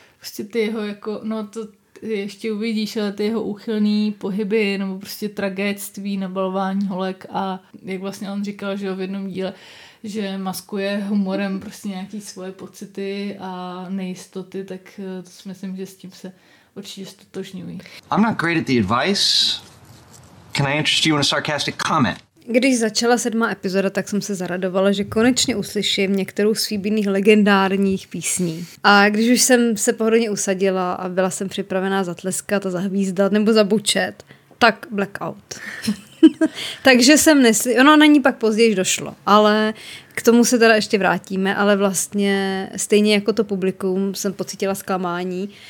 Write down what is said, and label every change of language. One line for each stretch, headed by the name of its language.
Czech: Prostě ty jeho jako, no to ještě uvidíš, ale ty jeho úchylný pohyby nebo prostě tragédství, nabalování holek a jak vlastně on říkal, že v jednom díle, že maskuje humorem prostě nějaký svoje pocity a nejistoty, tak to si myslím, že s tím se určitě stotožňují.
English: I'm not great at the advice. Can I interest you in a sarcastic comment?
Czech: Když začala 7. epizoda, tak jsem se zaradovala, že konečně uslyším některou z Phoebiných legendárních písní. A když už jsem se pohodlně usadila a byla jsem připravená zatleskat a zahvízdat nebo zabučet, tak blackout. Takže jsem ono na ní pak později došlo, ale k tomu se teda ještě vrátíme, ale vlastně stejně jako to publikum jsem pocítila zklamání,